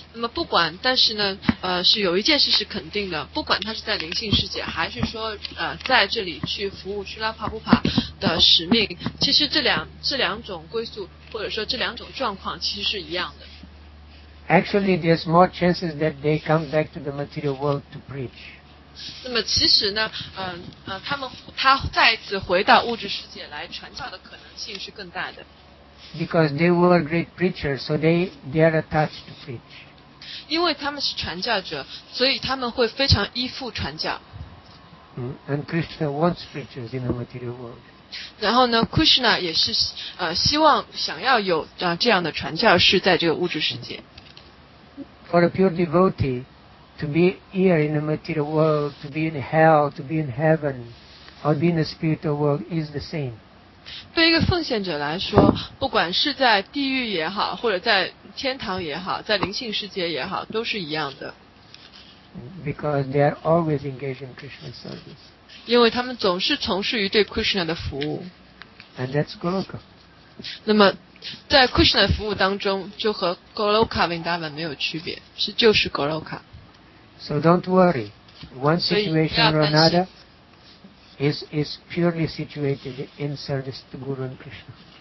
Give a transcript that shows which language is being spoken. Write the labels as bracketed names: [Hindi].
[Chinese] 那么不管，但是呢，是有一件事是肯定的，不管他是在灵性世界，还是说在这里去服务去拉帕布帕的使命，其实这两种归宿，或者说这两种状况，其实是一样的。 [English] Actually, there's more chances that they come back to the material world to preach. [Chinese] 那么其实呢，他再一次回到物质世界来传教的可能性是更大的。 [English] Because they were great preachers, so they are attached to preach. [Chinese] 因为他们是传教者，所以他们会非常依附传教。 [English] And Krishna wants preachers in the material world. [Chinese] 然后呢 ，Krishna 也是希望想要有这样的传教士在这个物质世界。 [English] For a pure devotee to be here in the material world, to be in hell, to be in heaven, or be in the spiritual world is the same. [Chinese] 对一个奉献者来说，不管是在地狱也好，或者在天堂也好，在灵性世界也好，都是一样的。 [English] Because they are always engaged in Krishna's service. [Chinese] 因为他们总是从事于对 Krishna 的服务。 [English] And that's Goloka. [Chinese] 那么在 Krishna 的服务当中，就和 Goloka Vrindavan 没有区别，是就是 Goloka。 [English] So don't worry, one situation or another is purely situated in service to Guru and Krishna.